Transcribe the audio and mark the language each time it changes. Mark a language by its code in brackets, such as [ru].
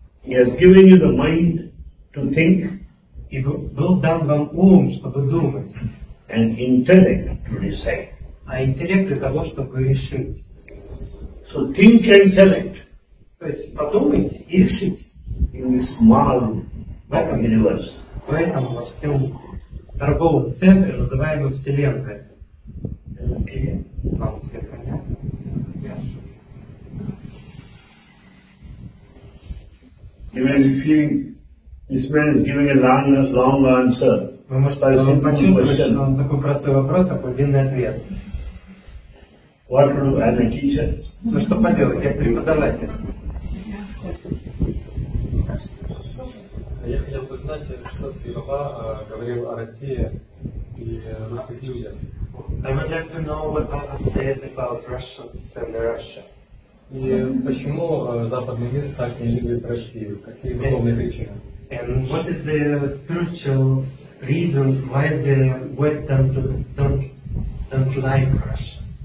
[en] he has given you the mind to think, [ru] и был дан вам ум, чтобы думать, [en] and intellect to decide, [ru] а интеллект для того, чтобы решить. [en] So think and select. [ru] То есть подумайте и решите. [en] In this mall, not in universe. [ru] Поэтому во всем торговом центре, называемом Вселенной. [en] Okay. [ru] Вам все понятно? [en] Imagine feeling this man is giving a long answer. [ru] Вы можете почувствовать, что он такой простой вопрос, такой длинный ответ. [en] What do I am a teacher? [ru] Ну что поделать, я преподаватель. Я хотел бы знать, что ты папа говорил о России и русских людях. [en] I would like to know what Papa said about Russians and Russia. [ru] И почему западный мир так не любит Россию? Какие духовные причины? [en] And what is the spiritual reasons why the West don't like Russia?